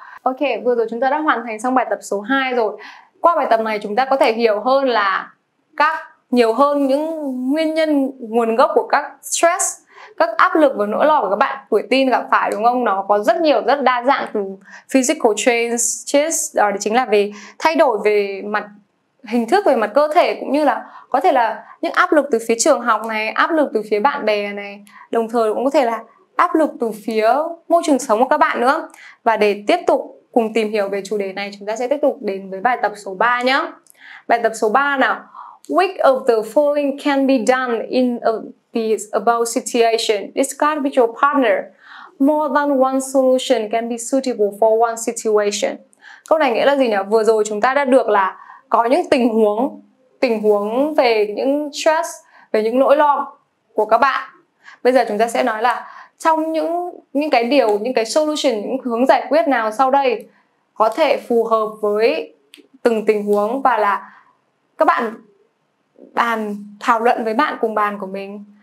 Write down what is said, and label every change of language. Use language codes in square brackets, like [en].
[vi] Ok, vừa rồi chúng ta đã hoàn thành xong bài tập số 2 rồi. Qua bài tập này chúng ta có thể hiểu hơn là nhiều hơn những nguyên nhân, nguồn gốc của các stress, các áp lực và nỗi lo của các bạn tuổi teen gặp phải, đúng không? Nó có rất nhiều, rất đa dạng, từ physical changes, đó chính là về thay đổi về mặt hình thức, về mặt cơ thể, cũng như là có thể là những áp lực từ phía trường học này, áp lực từ phía bạn bè này, đồng thời cũng có thể là áp lực từ phía môi trường sống của các bạn nữa. Và để tiếp tục cùng tìm hiểu về chủ đề này, chúng ta sẽ tiếp tục đến với bài tập số 3 nhé. Bài tập số 3 nào. [en] Which of the following can be done in this above situation? Discuss with your partner. More than one solution can be suitable for one situation. [vi] Câu này nghĩa là gì nhỉ? Vừa rồi chúng ta đã được là có những tình huống về những stress, về những nỗi lo của các bạn. Bây giờ chúng ta sẽ nói là trong những cái solution, những hướng giải quyết nào sau đây có thể phù hợp với từng tình huống, và là các bạn bàn, thảo luận với bạn cùng bàn của mình.